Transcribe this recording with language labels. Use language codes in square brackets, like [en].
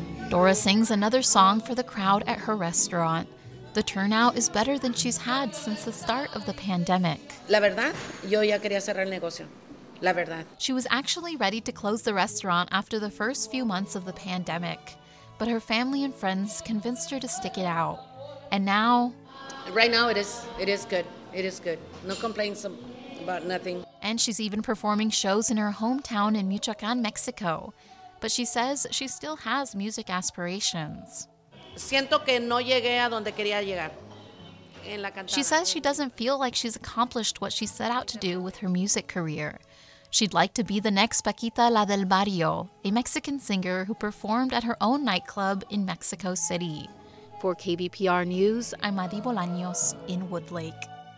[en] Dora sings another song for the crowd at her restaurant. The turnout is better than she's had since the start of the pandemic. [es] La verdad, yo ya quería cerrar el negocio. La verdad. [en] She was actually ready to close the restaurant after the first few months of the pandemic, but her family and friends convinced her to stick it out. And now... Right now, it is good. It is good. No complaints about nothing. And she's even performing shows in her hometown in Michoacán, Mexico. But she says she still has music aspirations. [es] Siento que no llegué a donde quería llegar. En la cantada. [en] She says she doesn't feel like she's accomplished what she set out to do with her music career. She'd like to be the next Paquita La del Barrio, a Mexican singer who performed at her own nightclub in Mexico City. For KBPR News, I'm Madi Bolaños in Woodlake.